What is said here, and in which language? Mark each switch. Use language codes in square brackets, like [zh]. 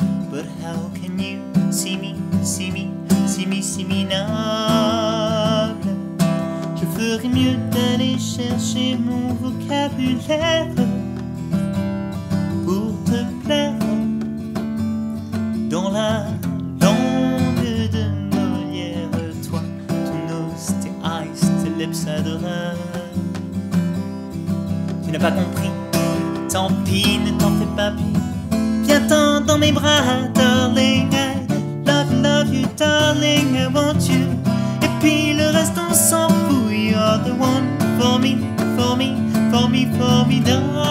[en] But how can you see me, see me, see me, see me noble? [fr] Je ferais mieux d'aller chercher mon vocabulaire pour te plaire dans la langue de Molière. Toi, ton os, tes eyes, tes lips adorables. Tu n'as pas compris, tant pis, ne t'en fais pas plus. Viens-t'en dans mes bras, [en] darling, I love you, love you, darling, I want you. [fr] Et puis le reste on s'en fout. [en] You are the one for me, for me, for me, formidable.